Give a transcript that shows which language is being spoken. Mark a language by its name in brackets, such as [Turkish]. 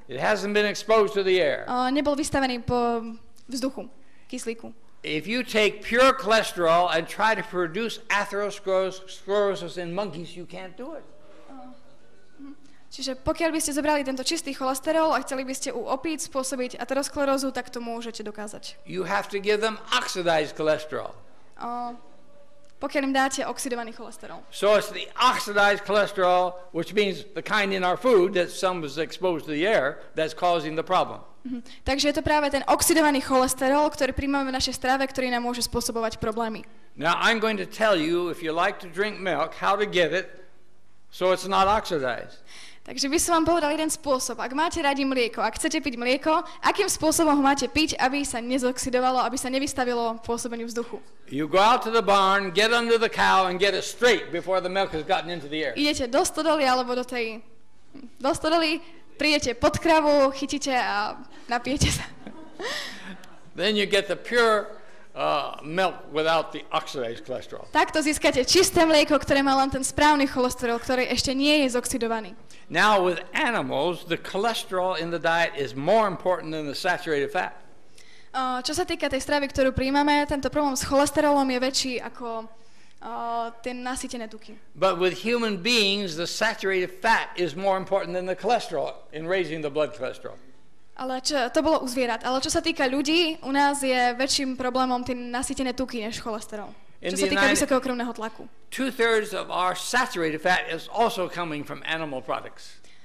[English] It hasn't been exposed to the air. [Slovak] Nebol vystavený po vzduchu, kyslíku. [English] If you take pure cholesterol and try to produce atherosclerosis in monkeys, you can't do it. [Slovak] Čiže pokiaľ by ste zobrali tento čistý cholesterol a chceli by ste u opíc spôsobiť aterosklerózu, tak to môžete dokázať. [English] You have to give them oxidized cholesterol. [Slovak] Pokiaľ im dáte oxidovaný cholesterol. [English] So it's the oxidized cholesterol, which means the kind in our food that some was exposed to the air, that's causing the problem. [Slovak] Takže je to práve ten oxidovaný cholesterol, ktorý prijímame v našej strave, ktorý nám môže spôsobovať problémy. [English] Now I'm going to tell you, if you like to drink milk, how to get it so it's not oxidized. [Slovak] Takže by som vám povedal jeden spôsob. Ak máte radi mlieko, ak chcete piť mlieko, akým spôsobom ho máte piť, aby sa nezoxidovalo, aby sa nevystavilo pôsobeniu vzduchu? [English] You go out to the barn, get under the cow and get it straight before the milk has gotten into the air. [Slovak] Idete do stodoly alebo do tej... Do stodoly, prijete pod kravu, chytíte a napijete sa. [English] Then you get the pure milk without the oxidized cholesterol. [Slovak] Takto získate čisté mlieko, ktoré má len ten správny cholesterol, ktorý ešte nie je zoxidovaný. [English] Now with animals, the cholesterol in the diet is more important than the saturated fat. [Slovak] Čo sa týka tej stravy, ktorú prijímame, tento problém s cholesterolom je väčší ako ten nasýtené tuky. [English] But with human beings, the saturated fat is more important than the cholesterol in raising the blood cholesterol. [Slovak] Ale čo, to bolo u zvierat. Ale čo sa týka ľudí, u nás je väčším problémom tie nasýtené tuky než cholesterol. Čo sa týka vysokého krvného tlaku. [English] Two-thirds of our saturated fat is also coming from animal products.